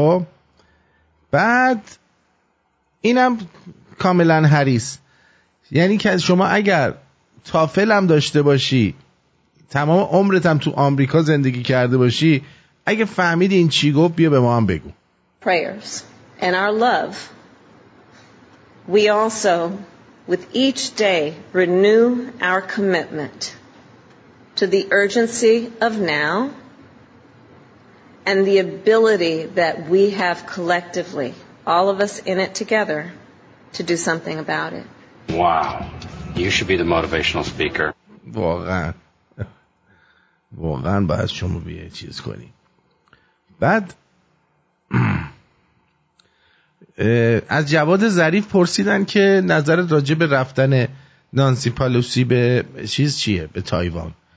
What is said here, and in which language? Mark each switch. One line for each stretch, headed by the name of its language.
Persian: خب بعد اینم کاملا حریص، یعنی که شما اگر تافل هم داشته باشی، تمام عمرت هم تو آمریکا زندگی کرده باشی، اگه فهمیدی این چی گفت بیا به ما هم بگو.
English: Prayers and our love, we also with each day renew our commitment to the urgency of now and the ability that we have collectively, all of us in it together, to do something about it. Wow, you should be the motivational speaker.
Persian: واقعا واقعا باید شما بیه چیز کنی. بعد از جواد ظریف پرسیدن که نظرت راجع به رفتن نانسی پالوسی به چیز چیه، به تایوان.